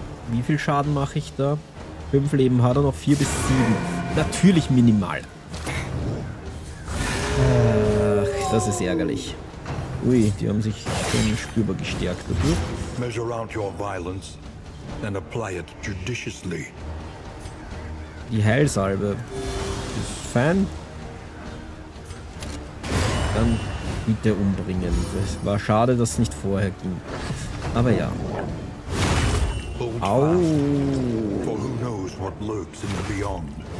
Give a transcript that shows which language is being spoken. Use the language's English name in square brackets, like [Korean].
[German] Wie viel Schaden mache ich da? 5 Leben hat er noch, 4 bis 7. Natürlich minimal. Ach, das ist ärgerlich. Ui, die haben sich schon spürbar gestärkt dadurch. [English] Measure out your violence and apply it judiciously. [German] Die Heilsalbe. Ist fein. Dann bitte umbringen. Es war schade, dass es nicht vorher ging. Aber ja. Au. [English] For who knows what lurks in the beyond.